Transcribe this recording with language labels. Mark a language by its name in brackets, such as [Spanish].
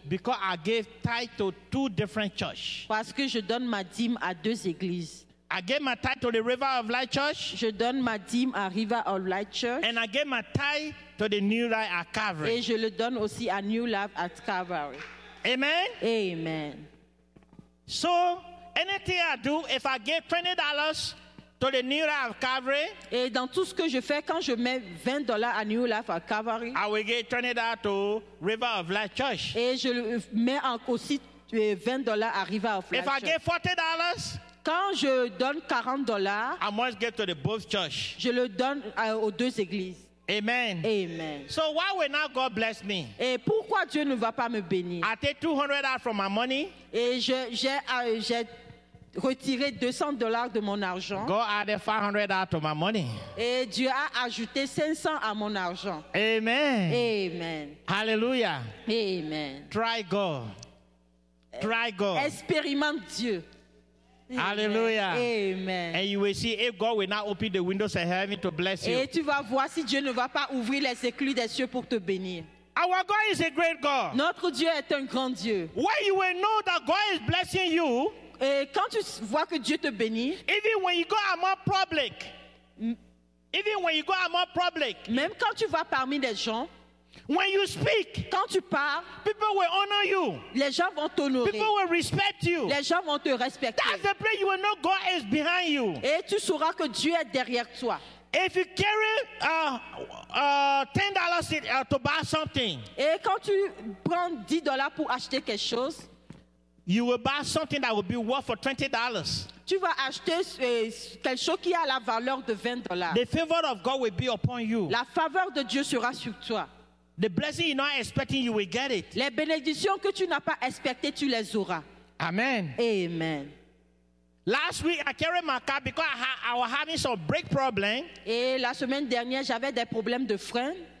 [English] because I gave tithe to two different churches [French] parce que je donne ma dîme à deux églises. [English] I gave my tithe to the River of Light Church. [French] Je donne ma dîme à River of Light Church. [English] And I gave my tithe to the New Life at Calvary. [French] Et je le donne aussi à New Life at Calvary. [English] Amen. Amen. So anything I do, if I give $20. To the New Life Calvary. [French] Et dans tout ce que je fais, quand je mets $20 à New Life at Calvary, [English] I will get $20 to River of Life Church. [French] Et je mets aussi $20 à River of Life [English] If Church. I get $40, [French] quand je donne 40 dollars, [English] I must get to the both church. [French] Je le donne aux deux églises. [English] Amen. Amen. So why will not God bless me? [French] Et pourquoi Dieu ne va pas me bénir? [English] I take 200 out from my money. [French] Et j'ai retiré 200 dollars de mon argent. [English] God added 500 out to my money. [French] Et Dieu a ajouté 500 à mon argent. [English] Amen. Amen. Hallelujah. Amen. Try God. Try God. [French] Expérimente Dieu. [English] Hallelujah. Amen. And you will see if God will not open the windows of heaven to bless you. [French] Et tu vas voir si Dieu ne va pas ouvrir les écluses des cieux pour te bénir. [English] Our God is a great God. [French] Notre Dieu est un grand Dieu. [English] When you will know that God is blessing you, [French] et quand tu vois que Dieu te bénit, [English] even when you go among public, even when you go among public, [French] même quand tu vas parmi les gens, [English] when you speak, [French] quand tu parles, [English] people will honor you. [French] Les gens vont t'honorer. [English] People will respect you. [French] Les gens vont te respecter. [English] That's the place you will know God is behind you. [French] Et tu sauras que Dieu est derrière toi. [English] If you carry $10 to buy something, [French] et quand tu prends 10 dollars pour acheter quelque chose, [English] you will buy something that will be worth for $20. [French] Tu vas acheter quelque chose qui a la valeur de 20 dollars. [English] The favor of God will be upon you. [French] La faveur de Dieu sera sur toi. [English] The blessing you're not expecting, you will get it. [French] Les bénédictions que tu n'as pas expectées, tu les auras. [English] Amen. Amen. Last week, I carried my car because I was having some brake problem. [French] Et la semaine dernière, j'avais des problèmes de frein.